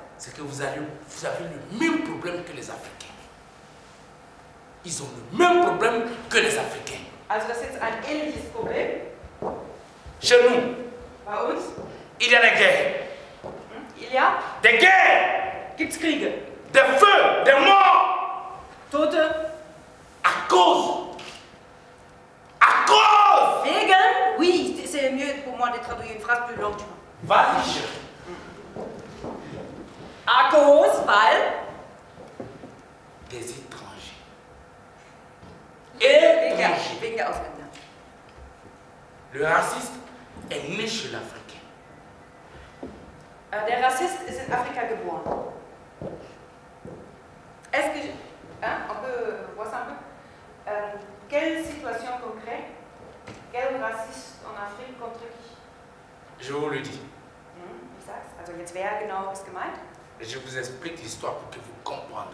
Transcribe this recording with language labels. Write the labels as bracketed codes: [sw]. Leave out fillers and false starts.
[fr] C'est que vous avez le même problème que les Africains. Ils ont le même problème que les Africains. [de] Also, das ist ein ähnliches Problem? [fr] Chez nous. [de] Bei uns? [fr] Il y a des guerres. Il y a? Des guerres! [de] Gibt's Kriege? [fr] Des feux, des morts! [de] Tote? [fr] À cause! À cause! [de] Wegen? [fr] Oui, c'est mieux pour moi de traduire une phrase plus longue. Vas-y, à cause, [de] weil? [fr] Des étrangers. Étrangers. [de] Wegen der Ausländer. [fr] Le raciste est né chez l'Africain. [de] Der Rassist ist in Afrika geboren. [fr] Est-ce que. Hein, on peut voir ça un peu? Quelle situation concrète? Quel raciste en Afrique contre qui? Je vous le dis. [de] Wie sagst du? Also, jetzt wer genau ist gemeint? [fr] Je vous explique l'histoire pour que vous compreniez.